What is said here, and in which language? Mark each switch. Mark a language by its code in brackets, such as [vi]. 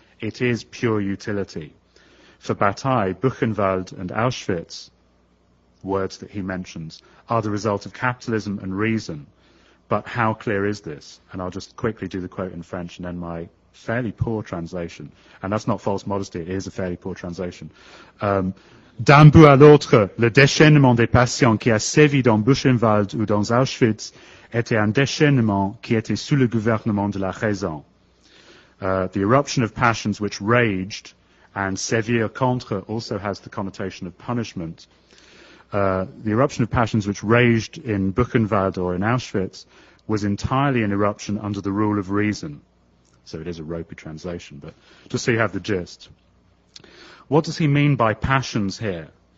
[en] It is pure utility. For Bataille, Buchenwald and Auschwitz, words that he mentions, are the result of capitalism and reason. But how clear is this? And I'll just quickly do the quote in French and then my fairly poor translation. And that's not false modesty, it is a fairly poor translation. [fr] D'un bout à l'autre, le déchaînement des patients qui a sévi dans Buchenwald ou dans Auschwitz était un déchaînement qui était sous le gouvernement de la raison. [en] The eruption of passions which raged, and sévir contre also has the connotation of punishment. The eruption of passions which raged in Buchenwald or in Auschwitz was entirely an eruption under the rule of reason. So it is a ropey translation, but just so you have the gist. What does he mean by passions here?